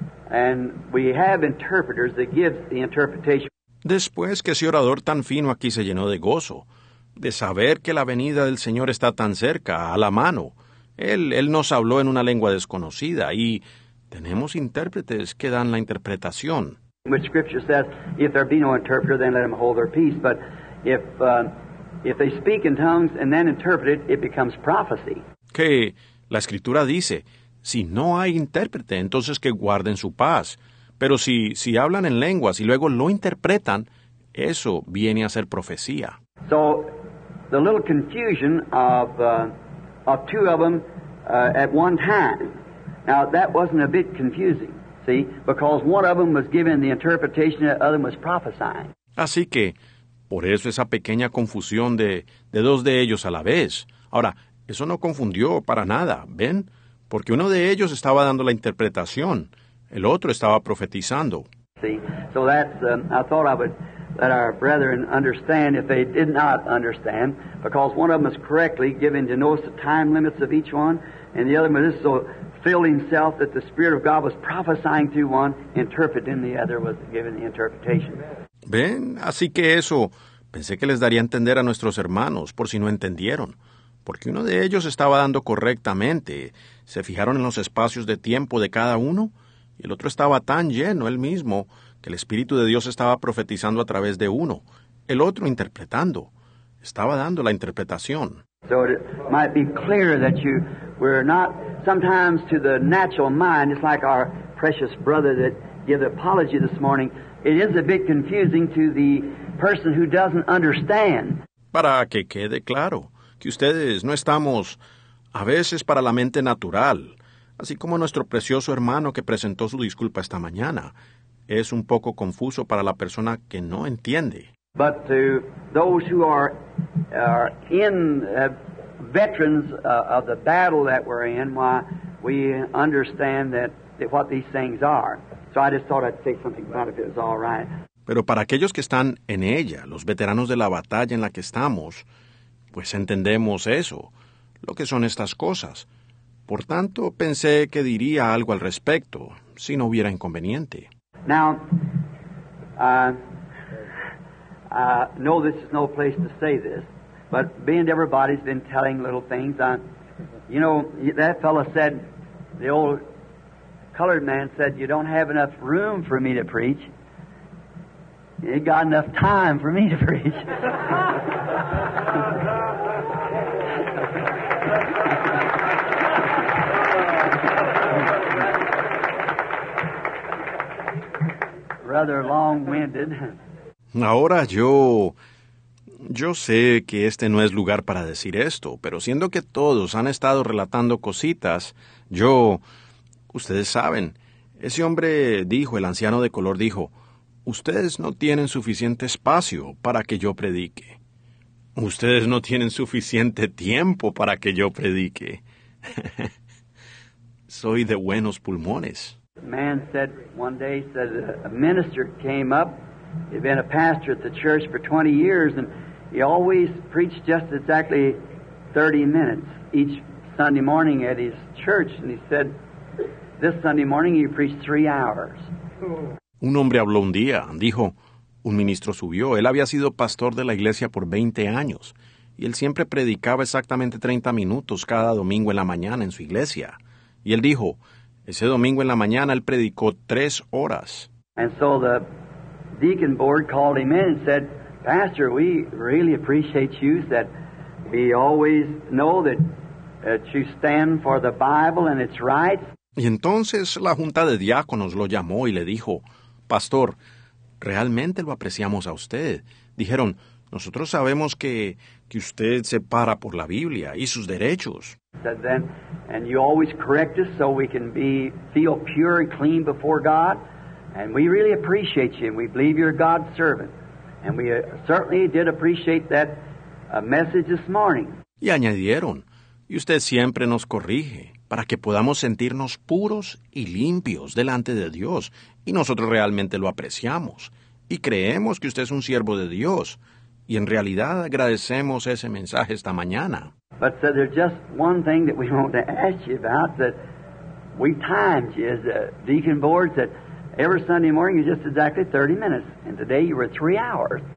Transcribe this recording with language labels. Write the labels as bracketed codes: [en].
[en] And we have interpreters that give the interpretation. [es] Después que ese orador tan fino aquí se llenó de gozo, de saber que la venida del Señor está tan cerca, a la mano, él nos habló en una lengua desconocida y tenemos intérpretes que dan la interpretación. [en] Which scripture says, if there be no interpreter, then let them hold their peace. But if they speak in tongues and then interpret it, it becomes prophecy. [es] Que la escritura dice, si no hay intérprete, entonces que guarden su paz. Pero si hablan en lenguas y luego lo interpretan, eso viene a ser profecía. [en] So, the little confusion of two of them at one time. Now, that wasn't a bit confusing. See, because one of them was given the interpretation, the other was prophesying. [es] Así que, por eso esa pequeña confusión de dos de ellos a la vez. Ahora, eso no confundió para nada, ¿ven? Porque uno de ellos estaba dando la interpretación, el otro estaba profetizando. [en] See, so that's, I thought I would let our brethren understand if they did not understand, because one of them is correctly given to notice the time limits of each one, and the other one is so filled himself that the Spirit of God was prophesying to one, interpreting the other, was given the interpretation. [es] Ven, así que eso, pensé que les daría a entender a nuestros hermanos, por si no entendieron. Porque uno de ellos estaba dando correctamente. Se fijaron en los espacios de tiempo de cada uno, y el otro estaba tan lleno, él mismo, que el Espíritu de Dios estaba profetizando a través de uno, el otro interpretando. Estaba dando la interpretación. [en] So it might be clear that you were not, sometimes to the natural mind, it's like our precious brother that gave the apology this morning, it is a bit confusing to the person who doesn't understand. [es] Para que quede claro, que ustedes no estamos, a veces para la mente natural, así como nuestro precioso hermano que presentó su disculpa esta mañana, es un poco confuso para la persona que no entiende. [en] But to those who are in veterans of the battle that we're in, why we understand that what these things are. So I just thought I'd say something about it if it was all right. [es] Pero para aquellos que están en ella, los veteranos de la batalla en la que estamos, pues entendemos eso, lo que son estas cosas. Por tanto, pensé que diría algo al respecto, si no hubiera inconveniente. [en] Now, no, this is no place to say this, but being everybody's been telling little things, you know, that fellow said, the old colored man said, you don't have enough room for me to preach. You ain't got enough time for me to preach. Rather long-winded. [es] Ahora yo sé que este no es lugar para decir esto, pero siendo que todos han estado relatando cositas, ustedes saben, ese hombre dijo, el anciano de color dijo, ustedes no tienen suficiente espacio para que yo predique. Ustedes no tienen suficiente tiempo para que yo predique. Soy de buenos pulmones. [en] A man said one day, said a minister came up, he'd been a pastor at the church for 20 years, and he always preached just exactly 30 minutes each Sunday morning at his church, and he said, this Sunday morning he preached 3 hours. [es] Un hombre habló un día, dijo, un ministro subió, él había sido pastor de la iglesia por 20 años, y él siempre predicaba exactamente 30 minutos cada domingo en la mañana en su iglesia, y él dijo, ese domingo en la mañana, él predicó 3 horas. [en] And so the deacon board called him in and said, Pastor, we really appreciate you, that we always know that you stand for the Bible and its rights. [es] Y entonces la junta de diáconos lo llamó y le dijo, Pastor, realmente lo apreciamos a usted. Dijeron, nosotros sabemos que usted se para por la Biblia y sus derechos. [en] And you always correct us so we can feel pure and clean before God. And we really appreciate you, and we believe you're God's servant. And we certainly did appreciate that message this morning. [es] Y añadieron, y usted siempre nos corrige para que podamos sentirnos puros y limpios delante de Dios. Y nosotros realmente lo apreciamos y creemos que usted es un siervo de Dios. Y en realidad agradecemos ese mensaje esta mañana. [en] But so there's just one thing that we want to ask you about that we timed you as a deacon board that every Sunday morning is just exactly 30 minutes, and today you were 3 hours.